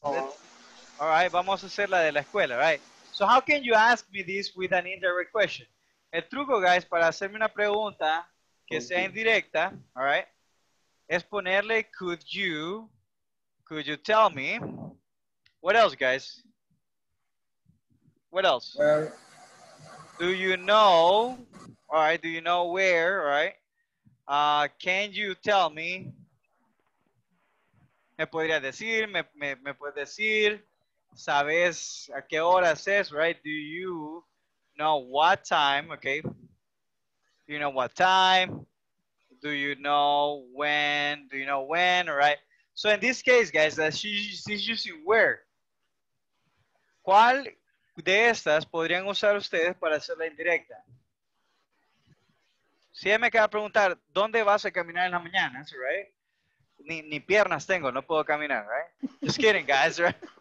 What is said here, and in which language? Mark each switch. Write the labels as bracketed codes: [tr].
[en] All right, [es] vamos a hacer la de la escuela, [en] right? So how can you ask me this with an indirect question? [es] El truco, [en] guys, [es] para hacerme una pregunta que sea indirecta, [en] all right, [es] es ponerle [en] could you tell me? What else, guys? What else? Do you know, all right, do you know where, all right? Can you tell me? [es] Me podría decir, me puede decir, sabes a qué hora es, [en] right? Do you know what time, okay? Do you know what time? Do you know when? Do you know when, all right? So in this case, guys, she's using where. [es] ¿Cuál de estas podrían usar ustedes para hacer la indirecta? Si me queda preguntar, ¿dónde vas a caminar en la mañana? [en] That's right. [es] Ni piernas tengo, no puedo caminar, [en] right? Just kidding, guys, right?